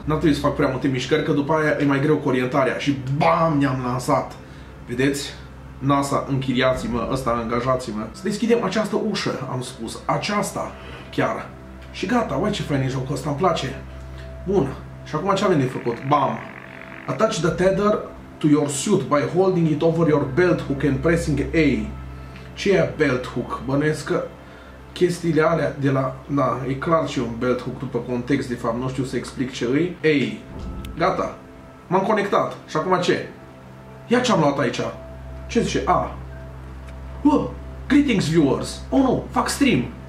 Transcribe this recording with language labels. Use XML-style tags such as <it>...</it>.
<ro>N-ar trebui să fac prea multe mișcări, că după aia e mai greu cu orientarea. Și bam, ne-am lansat. Vedeți? NASA, închiriați-mă, ăsta, angajați-mă. Să deschidem această ușă, am spus. Aceasta, chiar. Și gata, uai ce fain e jocul ăsta, îmi place. Bun. Și acum ce avem de făcut? Bam.</ro> <en>Attach the tether to your suit by holding it over your belt hook and pressing A.</en> <ro>Ce e belt hook? Bănuiesc că chestiile alea de la... Da, e clar ce e un belt hook după context, de fapt. Nu știu să explic ce e. A. Gata. M-am conectat. Și acum ce? Ia ce-am luat aici. Ce zice? A.</ro> <en>Greetings, viewers.</en> <ro>Oh, nu. Fac stream.</ro>